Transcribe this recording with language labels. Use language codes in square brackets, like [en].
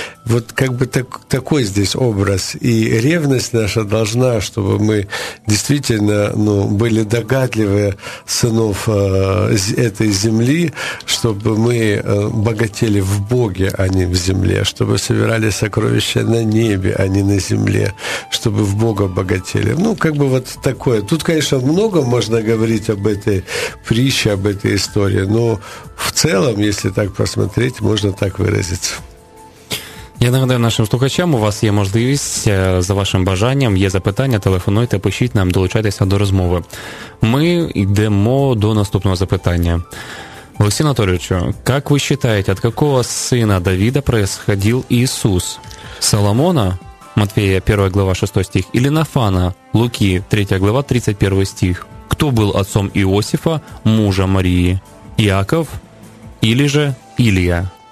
[ru] Вот как бы такой здесь образ. И ревность наша должна, чтобы мы действительно, ну, были догадливы сынов этой земли, чтобы мы богатели в Боге, а не в земле. Чтобы собирали сокровища на небе, а не на земле, чтобы в Бога богатели. Ну, как бы вот такое. Тут, конечно, много можно говорить об этой притче, об этой истории, но в целом, если так посмотреть, можно так выразиться. [uk] Я нагадаю нашим слухачам, у вас є можливість за вашим бажанням, є запитання, телефонуйте, пишіть нам, долучайтеся до розмови. Ми йдемо до наступного запитання. [ru] Алексей Анатольевич, как вы считаете, от какого сына Давида происходил Иисус? Соломона, Матфея 1 глава 6 стих, или Нафана, Луки 3 глава 31 стих? Кто был отцом Иосифа, мужа Марии? Иаков или же Илия?